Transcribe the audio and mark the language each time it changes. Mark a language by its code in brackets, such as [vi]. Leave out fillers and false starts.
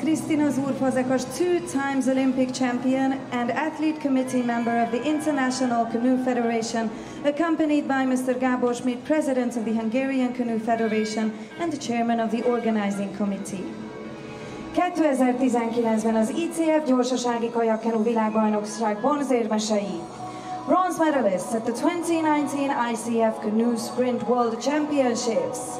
[en] Krisztina Zúr Kazakas, two times Olympic champion and athlete committee member of the International Canoe Federation, accompanied by Mr. Gábor Schmidt, president of the Hungarian Canoe Federation and the chairman of the organizing committee. [hu] 2019-ben az ICF gyorsasági kajakkenu világbajnokság bronzérmesei. [en] Bronze medalists at the 2019 ICF Canoe Sprint World Championships.